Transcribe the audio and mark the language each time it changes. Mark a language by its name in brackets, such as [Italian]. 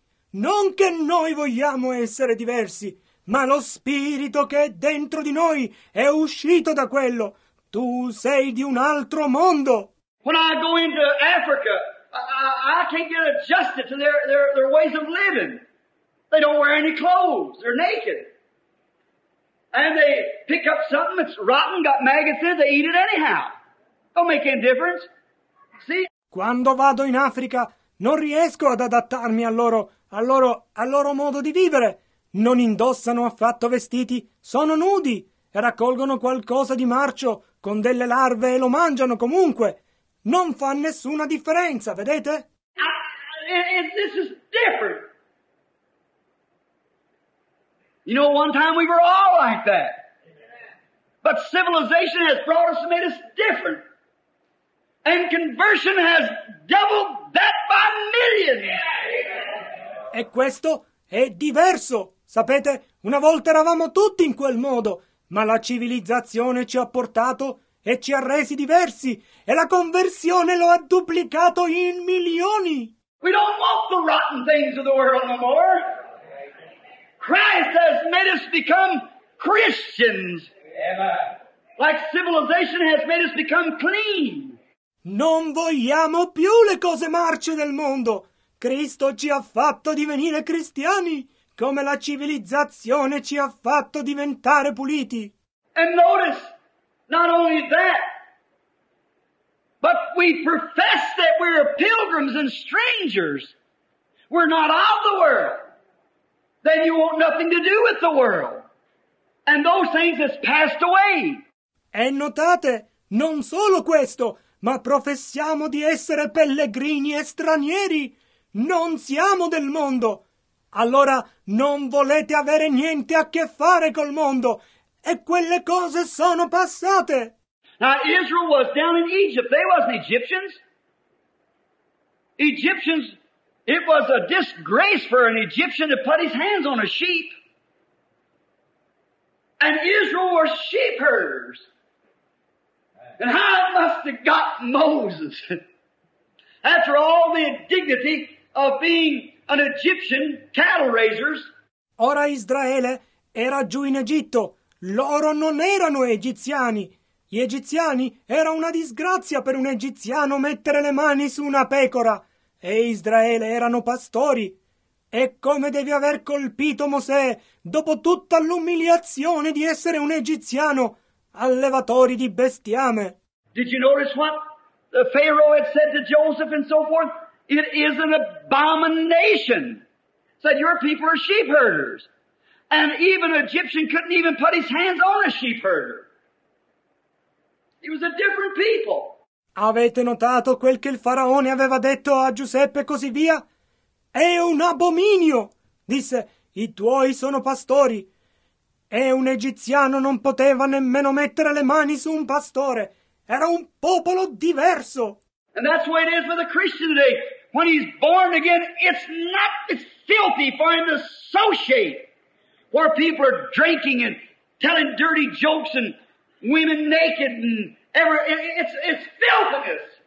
[Italian] Non che noi vogliamo essere diversi. Ma lo spirito che è dentro di noi è uscito da quello. Tu sei di un altro mondo. [English] When I go into Africa, I can't get adjusted to their ways of living. They don't wear any clothes. They're naked. And they pick up something that's rotten, got maggots in it, they eat it anyhow. Don't make any difference. See? [Italian] Quando vado in Africa, non riesco ad adattarmi al loro modo di vivere. Non indossano affatto vestiti, sono nudi e raccolgono qualcosa di marcio con delle larve e lo mangiano comunque. Non fa nessuna differenza, vedete? [English] This is different. You know, one time we were all like that. But civilization has brought us and made us different. And conversion has doubled that by millions. [Italian] E questo è diverso. Sapete, una volta eravamo tutti in quel modo, ma la civilizzazione ci ha portato e ci ha resi diversi, e la conversione lo ha duplicato in milioni. [English] We don't want the rotten things of the world no more. Christ has made us become Christians. Like civilization has made us become clean. [Italian] Non vogliamo più le cose marce del mondo. Cristo ci ha fatto divenire cristiani. come la civilizzazione ci ha fatto diventare puliti. [English] And notice, not only that, but we profess that we're pilgrims and strangers. We're not of the world. Then you want nothing to do with the world. And those things have passed away. [Italian] E notate, non solo questo, ma professiamo di essere pellegrini e stranieri. Non siamo del mondo. Allora non volete avere niente a che fare col mondo. E quelle cose sono passate. [English] Now Israel was down in Egypt. They wasn't Egyptians. Egyptians, it was a disgrace for an Egyptian to put his hands on a sheep. And Israel were sheep herders. And how it must have got Moses. After all the indignity of being an Egyptian cattle raisers. [Italian] Ora Israele era giù in Egitto. Loro non erano egiziani. Gli egiziani era una disgrazia per un egiziano mettere le mani su una pecora. E Israele erano pastori. E come deve aver colpito Mosè, dopo tutta l'umiliazione di essere un egiziano, allevatori di bestiame. [English] Did you notice what the Pharaoh had said to Joseph and so forth? It is an abomination. Said your people are sheep herders. And even an Egyptian couldn't even put his hands on a sheep herder. It was a different people. [Italian] Avete notato quel che il faraone aveva detto a Giuseppe e così via? È un abominio, disse, i tuoi sono pastori. E un egiziano non poteva nemmeno mettere le mani su un pastore. Era un popolo diverso. [English] And that's the way it is with a Christian today. When he's born again, it's not filthy for him to associate where people are drinking and telling dirty jokes and women naked and it's filthiness.